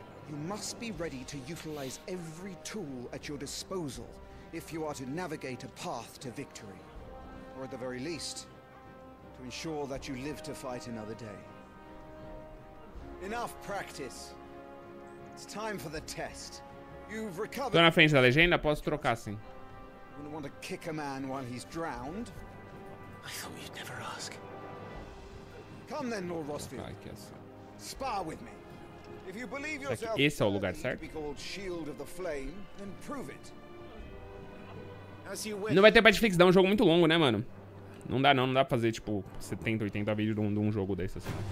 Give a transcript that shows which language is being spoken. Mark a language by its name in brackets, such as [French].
[English] You must be ready to utilize every tool at your disposal if you are to navigate a path to victory. Or at the very least, to ensure that you live to fight another day. Enough practice. It's time for the test. [Portuguese] Tô na frente da legenda, posso trocar sim. [English] You want to kick a man while he's drowned? I thought you'd never ask. Come then, Lord Rossfield. [Portuguese] Ah, que assim. [English] Spar with me. If you believe yourself, [Portuguese] esse é o lugar certo. [English] Be called Shield of the Flame, then prove it. [Portuguese] As you wish. Não vai ter Netflix, dá um jogo muito longo, né, mano? Não dá não, não dá pra fazer tipo 70, 80 vídeos de um jogo desse assim.